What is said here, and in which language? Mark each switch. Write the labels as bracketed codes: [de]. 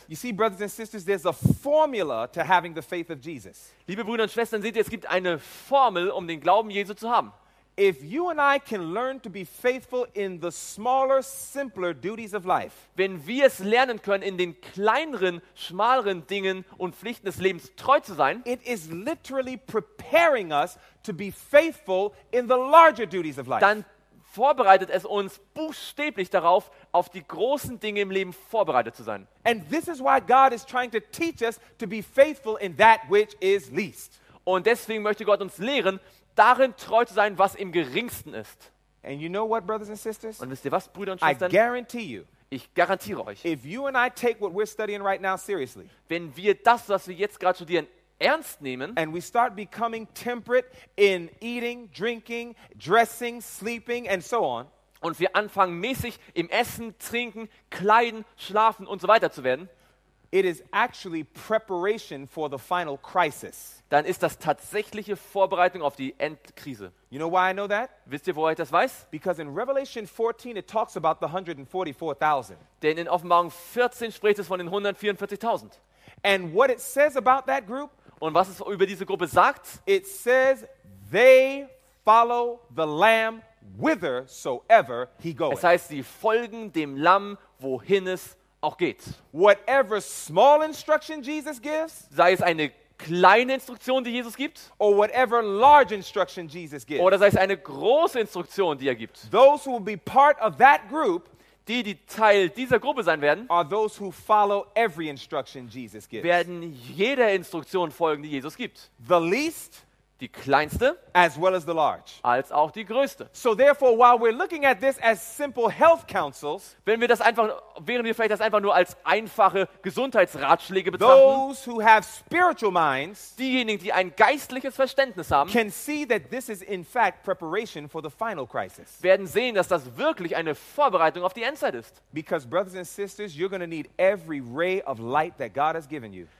[en] You see, brothers and sisters, there's a formula to having the faith of Jesus. [de] Liebe Brüder und Schwestern, seht ihr, es gibt eine Formel, um den Glauben Jesu zu haben. [en] If you and I can learn to be faithful in the smaller, simpler duties of life, [de] wenn wir es lernen können, in den kleineren, schmaleren Dingen und Pflichten des Lebens treu zu sein, [en] it is literally preparing us to be faithful in the larger duties of life. [de] Dann vorbereitet es uns buchstäblich darauf, auf die großen Dinge im Leben vorbereitet zu sein. [en] And this is why God is trying to teach us to be faithful in that which is least. [de] Und deswegen möchte Gott uns lehren, darin treu zu sein, was im Geringsten ist. [en] And you know what, brothers and sisters? [de] Und wisst ihr was, Brüder und Schwestern? [en] I guarantee you, [de] ich garantiere euch, [en] if you and I take what we're studying right now seriously, [de] wenn wir das, was wir jetzt gerade studieren, ernst nehmen, [en] and we start becoming temperate in eating, drinking, dressing, sleeping and so on, [de] und wir anfangen mäßig im Essen, Trinken, Kleiden, Schlafen und so weiter zu werden, [en] It is actually preparation for the final crisis. [de] Dann ist das tatsächliche Vorbereitung auf die Endkrise. [en] You know why I know that? [de] Wisst ihr, woher ich das weiß? [en] Because in Revelation 14 it talks about the 144,000. [de] Denn in Offenbarung 14 spricht es von den 144,000. [en] And what it says about that group? [de] Und was es über diese Gruppe sagt? [en] It says they follow the Lamb whithersoever he goeth. [de] Es heißt, sie folgen dem Lamm, wohin es auch geht. [en] Whatever small instruction Jesus gives, [de] sei es eine kleine Instruktion, die Jesus gibt, [en] or whatever large instruction Jesus gives, [de] oder sei es eine große Instruktion, die er gibt. [en] Those who will be part of that group, [de] die Teil dieser Gruppe sein werden, [en] are those who follow every instruction Jesus gives. [de] Werden jeder Instruktion folgen, die Jesus gibt. [en] The least, [de] die kleinste, [en] as well as the large, [de] als auch die größte. [en] So therefore, while we're looking at this as simple health counsels, [de] während wir vielleicht das einfach nur als einfache Gesundheitsratschläge betrachten, [en] those who have spiritual minds, [de] diejenigen, die ein geistliches Verständnis haben, [en] can see that this is in fact preparation for the final crisis. [de] Werden sehen, dass das wirklich eine Vorbereitung auf die Endzeit ist. [en] Because brothers and sisters, you're going to need every ray of light that God has given you.